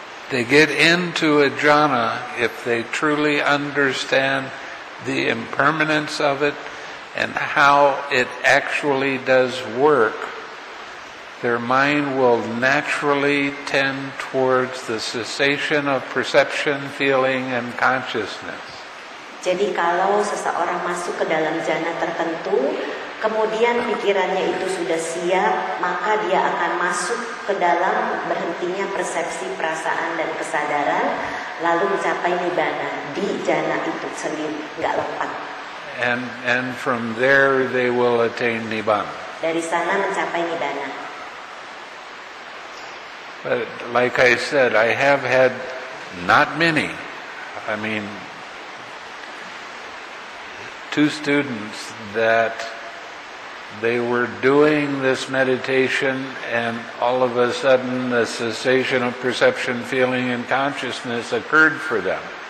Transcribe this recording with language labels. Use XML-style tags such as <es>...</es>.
<en>They get into a jhana if they truly understand the impermanence of it and how it actually does work. Their mind will naturally tend towards the cessation of perception, feeling, and consciousness.</en> <id>Jadi kalau seseorang masuk ke dalam jhana tertentu, kemudian pikirannya itu sudah siap, maka dia akan masuk ke dalam berhentinya persepsi, perasaan, dan kesadaran, lalu mencapai nibbana di jhana itu sendiri, enggak lompat.</id> <en>And from there they will attain nibbana.</en> <id>Dari sana mencapai nibbana.</id> <en>But like I said, I have had not many. I mean, two students that they were doing this meditation and all of a sudden the cessation of perception, feeling, and consciousness occurred for them.</en>